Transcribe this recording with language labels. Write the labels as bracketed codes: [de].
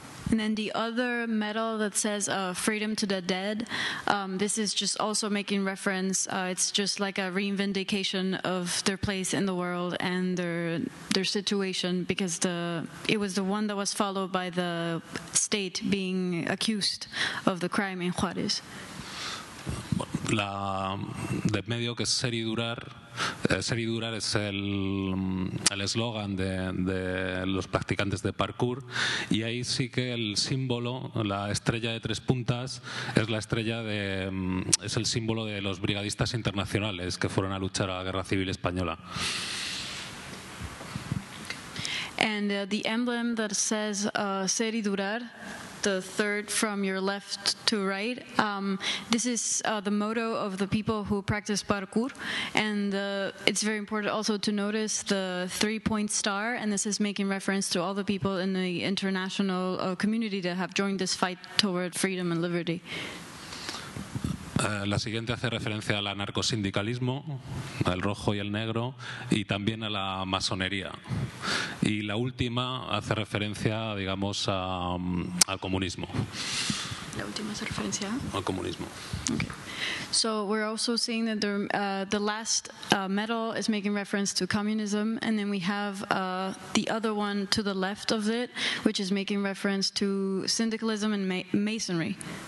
[en] And then the other medal that says Freedom to the Dead, this is just also making reference, it's just like a reivindication of their place in the world and their situation, because it was the one that was followed by the state being accused of the crime in Juárez. [es] La de medio, que es Ser y Durar, Ser y Durar es el eslogan de los practicantes de parkour, y ahí sí que el símbolo, la estrella de tres puntas, es el símbolo de los brigadistas internacionales que fueron a luchar a la Guerra Civil Española. [en] And the emblem that says Ser y Durar, the third from your left to right, this is the motto of the people who practice parkour, and it's very important also to notice the three-point star, and this is making reference to all the people in the international community that have joined this fight toward freedom and liberty. [es] La siguiente hace referencia al anarcosindicalismo, al rojo y el negro, y también a la masonería. Y la última hace referencia, digamos, al comunismo. La última hace referencia al comunismo. [en] Okay. So we're also seeing that the last medal is making reference to communism, and then we have the other one to the left of it, which is making reference to syndicalism and masonry.